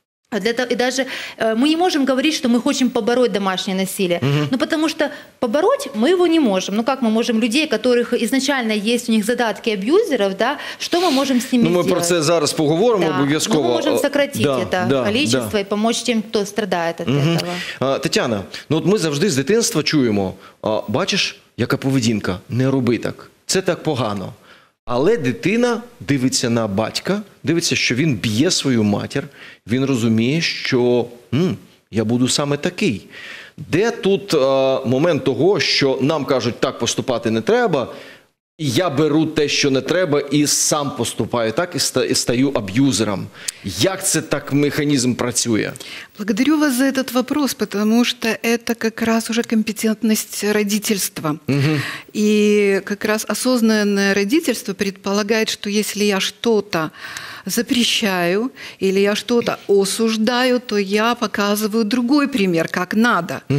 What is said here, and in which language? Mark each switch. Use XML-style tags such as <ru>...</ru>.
<ru>Для того, и даже мы не можем говорить, что мы хотим побороть домашнее насилие. Ну, потому что побороть мы его не можем. Ну, как мы можем людей, которых изначально есть у них задатки абьюзеров, да, что мы можем с ними сделать?</ru> <uk>Ну,</uk> <ru>мы про это</ru> <uk>зараз поговорим, обов'язково.</uk> <ru>Мы можем сократить количество и помочь тем, кто страдает от этого.</ru> <uk>Тетяна, ну, от мы завжди с дитинства чуємо, бачишь, яка поведінка, не роби так, це так погано. Але дитина дивиться на батька, дивиться, що він б'є свою матір, він розуміє, що я буду саме такий. Де тут момент того, що нам кажуть, так поступати не треба, я беру те, що не треба, і сам поступаю так, і стаю аб'юзером. Як це так механізм працює?</uk> <ru>Благодарю вас за этот вопрос, потому что это как раз уже компетентность родительства. И как раз осознанное родительство предполагает, что если я что-то запрещаю или я что-то осуждаю, то я показываю другой пример, как надо.</ru>